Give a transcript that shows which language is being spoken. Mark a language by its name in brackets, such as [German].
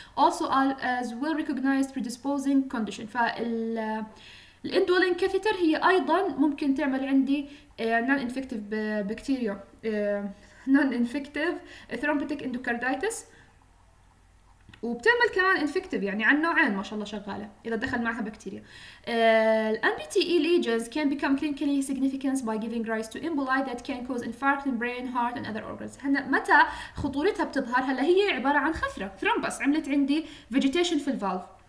[English] also as well recognized predisposing condition. [Arabic] فال الاندولين كاثيتر هي ايضا ممكن تعمل عندي نون انفكتيف بكتيريا نون انفكتيف ثرومبوتيك اندوكارديتس وبتعمل كمان انفكتيف يعني عن نوعين ما شاء الله شغاله اذا دخل معها بكتيريا. [English] NBTE lesions can become clinically significant by giving rise to emboli that can cause infarct in brain, heart and other organs. [Arabic] هلا متى خطورتها بتظهر؟ هلا هي عباره عن خثره ثرومبس عملت عندي فيجيتيشن في الفالف.